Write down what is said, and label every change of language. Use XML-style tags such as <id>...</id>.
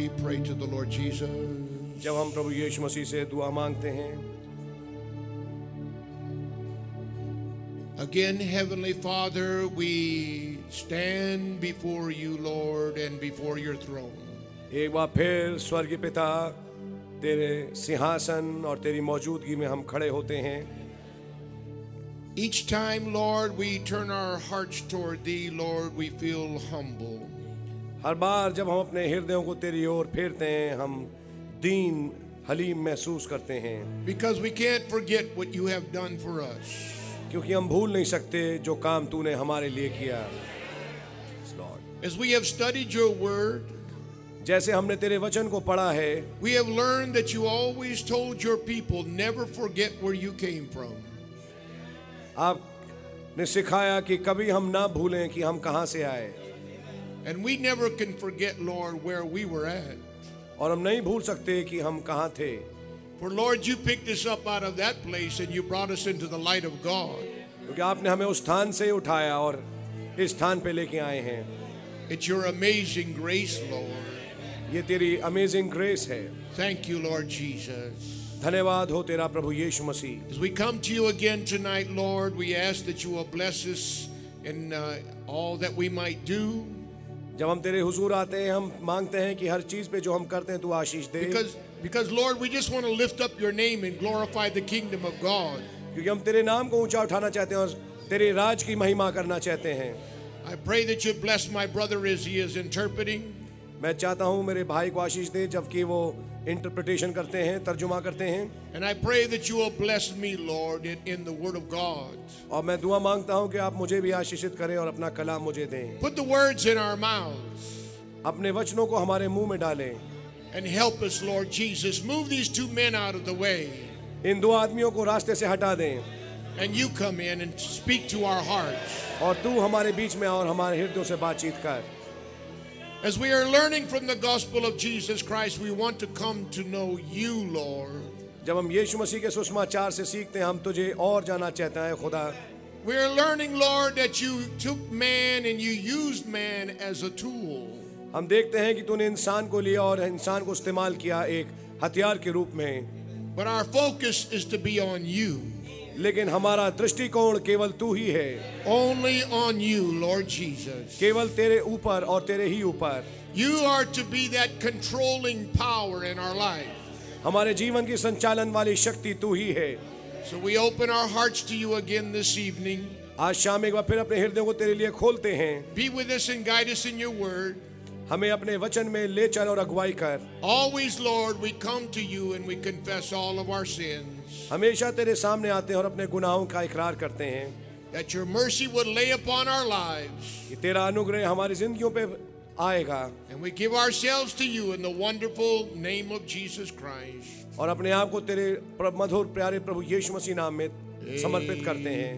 <hi>जब हम प्रभु यीशु मसीह से दुआ मांगते हैं</hi> <en>Again, Heavenly Father, we stand before you, Lord, and before your throne.</en> <hi>एक बार फिर स्वर्गीय पिता तेरे सिंहासन और तेरी मौजूदगी में हम खड़े होते हैं.</hi> <en>Each time, Lord, we turn our hearts toward thee, Lord, we feel humble.</en> <hi>हर बार जब हम अपने हृदयों को तेरी ओर फेरते हैं हम दीन हलीम महसूस करते हैं</hi> <en>Because we can't forget what you have done for us.</en> <hi>क्योंकि हम भूल नहीं सकते जो काम तूने हमारे लिए किया</hi> <en>yes, Lord. As we have studied your word,</en> <hi>जैसे हमने तेरे वचन को पढ़ा है</hi> <en>we have learned that you always told your people, never forget where you came from.</en> <hi>आपने सिखाया कि कभी हम ना भूलें कि हम कहां से आए</hi> <en>And we never can forget, Lord, where we were at.</en> <hi>और हम नहीं भूल सकते कि हम कहाँ थे.</hi> <en>For Lord, you picked us up out of that place and you brought us into the light of God.</en> <hi>क्योंकि आपने हमें उस स्थान से उठाया और इस स्थान पे लेके आए हैं.</hi> <en>It's your amazing grace, Lord.</en> <hi>ये तेरी</hi> <en>amazing grace</en> <hi>है.</hi> <en>Thank you, Lord Jesus.</en> <hi>धन्यवाद हो तेरा प्रभु यीशु मसीह.</hi> <en>As we come to you again tonight, Lord, we ask that you will bless us in all that we might do.</en> <hi>जब हम तेरे हुजूर आते हैं हम मांगते हैं कि हर चीज पे जो हम करते हैं तू आशीष दे</hi> <en>because Lord we just want to lift up your name and glorify the kingdom of God</en> <hi>क्योंकि हम तेरे नाम को ऊंचा उठाना चाहते हैं और तेरे राज की महिमा करना चाहते हैं</hi> <en>I pray that you bless my brother as he is interpreting</en> <hi>मैं चाहता हूं मेरे भाई को आशीष दे जबकि वो इंटरप्रिटेशन करते हैं तर्जुमा करते हैं</hi> <en>and I pray that you will bless me Lord in the word of God</en> <hi>और मैं दुआ मांगता हूं कि आप मुझे भी आशीषित करें और अपना कलाम मुझे दें</hi> <en>put the words in our mouths</en> <hi>अपने वचनों को हमारे मुंह में डालें</hi> <en>and help us Lord Jesus move these two men out of the way</en> <hi>इन दो आदमियों को रास्ते से हटा दें</hi> <en>and you come in and speak to our hearts</en> <hi>और तू हमारे बीच में और हमारे हृदयों से बातचीत कर</hi> <en>As we are learning from the gospel of Jesus Christ, we want to come to know you, Lord.</en> <hi>जब हम यीशु मसीह के सुसमाचार से सीखते हैं, हम तुझे और जानना चाहते हैं, खुदा।</hi> <en>We are learning, Lord, that you took man and you used man as a tool.</en> <hi>हम देखते हैं कि तूने इंसान को लिया और इंसान को इस्तेमाल किया एक हथियार के रूप में।</hi> <en>But our focus is to be on you.</en> <hi>लेकिन हमारा दृष्टिकोण केवल तू ही है</hi> <en>Only on you, Lord Jesus.</en> <hi>केवल तेरे ऊपर और तेरे ही ऊपर</hi> <en>You are to be that controlling power in our life.</en> <hi>हमारे जीवन की संचालन वाली शक्ति तू ही है</hi> <en>So we open our hearts to you again this evening.</en> <hi>आज शाम एक बार फिर अपने हृदयों को तेरे लिए खोलते हैं</hi> <en>Be with us and guide us in your word.</en> <hi>हमें अपने वचन में ले चल और अगुवाई कर</hi> <en>Always, Lord, we come to you and we confess all of our sins.</en> <hi>हमेशा तेरे सामने आते हैं और अपने गुनाहों का इकरार करते हैं</hi> <en>That your mercy would lay upon our lives.</en> <hi>कि तेरा अनुग्रह हमारी जिंदगियों पे आएगा.</hi> <en>And we give ourselves to you in the wonderful name of Jesus Christ.</en> <hi>और अपने आप को तेरे मधुर प्यारे प्रभु यीशु मसीह नाम में समर्पित करते हैं.</hi>